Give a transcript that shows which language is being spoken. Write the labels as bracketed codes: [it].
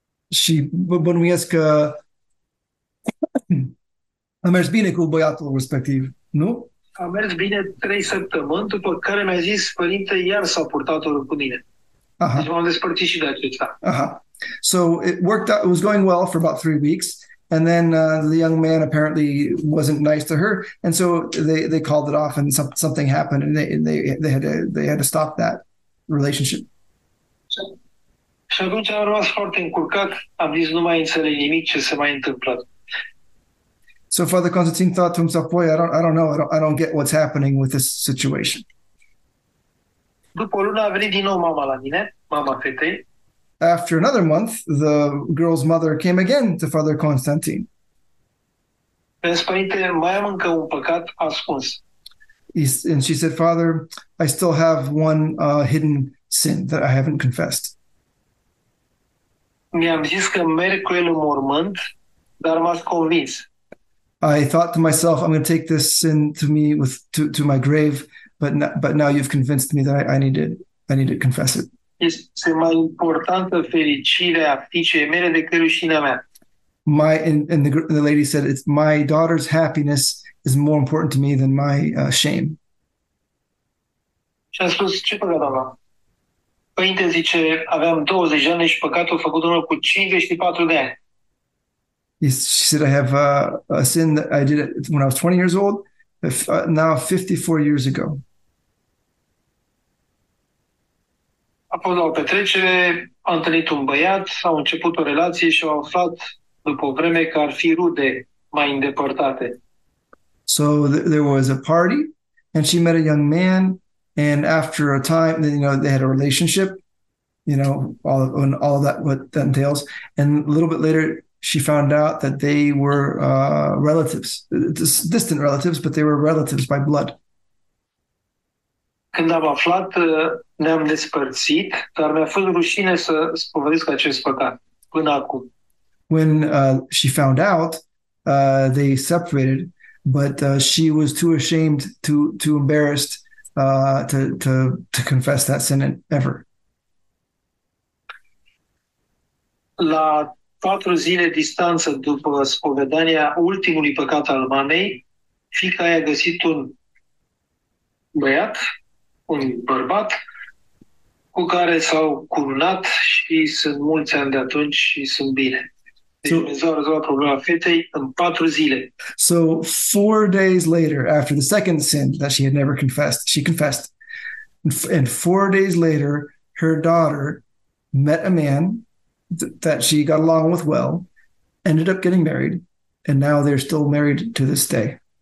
[ro] Și bănuiesc că a mers bine cu băiatul respectiv, nu? A mers bine 3 săptămâni, după care mi-a zis: Părinte, iar s-a purtat unul cu mine. Aha. Deci m-am despărțit și de acesta. Aha. [en] So it worked out, it was going well for about 3 weeks, and then the young man apparently wasn't nice to her, and so they called it off, and something happened, and they had to stop that relationship. [ro] Și atunci am rămas foarte încurcat, am zis: nu mai înțeleg nimic ce se mai întâmplă. [en] So Father Constantine thought to himself, boy, I don't get what's happening with this situation. [ro] După o lună a venit din nou mama la mine, mama fetei. [en] After another month, the girl's mother came again to Father Constantine. [ro] Vezi, Părinte, mai am încă un păcat ascuns. [en] And she said, Father, I still have one hidden sin that I haven't confessed. [ro] Mi-am zis că merg cu el în mormânt, dar m-a convins. [en] I thought to myself, I'm going to take this sin to me with to my grave, but now you've convinced me that I need to confess it. [ro] Este mai importantă fericirea fiicei mele decât rușinea mea. [en] And the lady said, it's my daughter's happiness is more important to me than my shame. [ro] Și a spus: ce păcat am? Părinte, zice, aveam 20 ani și păcatul făcut unul cu 54 de ani. [en] She said, I have a sin that I did it when I was 20 years old, now 54 years ago. [ro] Apoi la o petrecere, a întâlnit un băiat, au început o relație și au aflat după o vreme că ar fi rude mai îndepărtate. [en] So there was a party and she met a young man. And after a time, you know, they had a relationship, you know, all of that, what that entails. And a little bit later, she found out that they were relatives, distant relatives, but they were relatives by blood. [ro] Când am aflat, ne-am despărțit, dar mi-a fost rușine să spovedesc acest păcat până acum. [en] When she found out, they separated, but she was too ashamed, too embarrassed to confess that sin ever. [ro] La 4 zile distanță după spovedania ultimului păcat al mamei, fiica a găsit un băiat, un bărbat, cu care s-au cumnat și sunt mulți ani de atunci și sunt bine. [en] So 4 days later, after the second sin that she had never confessed, she confessed. And 4 days later, her daughter met a man that she got along with well, ended up getting married, and now they're still married to this day.